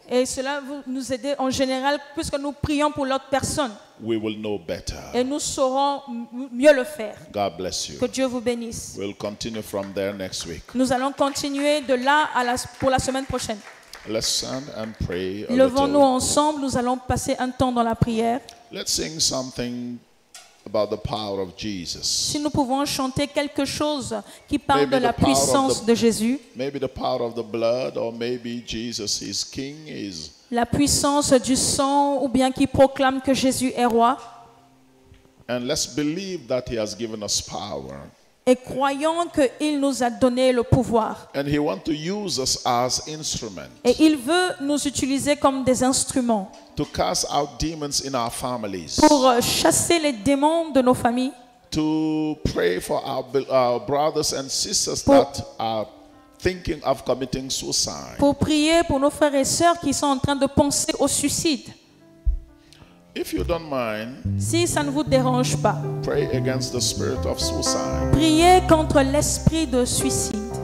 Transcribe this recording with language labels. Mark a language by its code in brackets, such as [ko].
[fr] Et cela va nous aider en général puisque nous prions pour l'autre personne. [en] We will know better. [fr] Et nous saurons mieux le faire. [en] God bless you. [fr] Que Dieu vous bénisse. [en] We'll continue from there next week. [fr] Nous allons continuer de là à la pour la semaine prochaine. [en] Let's stand and pray. [fr] Levons-nous [en] little. [fr] Ensemble, nous allons passer un temps dans la prière. [en] Let's sing something about the power of Jesus. [fr] Si nous pouvons chanter quelque chose qui parle maybe de la puissance de Jésus. [en] Maybe the power of the blood, or maybe Jesus is king. Is [fr] la puissance du sang, ou bien qui proclame que Jésus est roi. [en] And let's believe that he has given us power. [fr] Et croyons qu'il nous a donné le pouvoir. [en] And he wants to use us as instruments. [fr] Et il veut nous utiliser comme des instruments. [en] To cast out demons in our families. [fr] Pour chasser les démons de nos familles. [en] To pray for our brothers and sisters that are thinking of committing suicide. [fr] Pour prier pour nos frères et sœurs qui sont en train de penser au suicide. [en] If you don't mind, [fr] si ça ne vous dérange pas, [en] pray against the spirit of suicide. [fr] Priez contre l'esprit de suicide.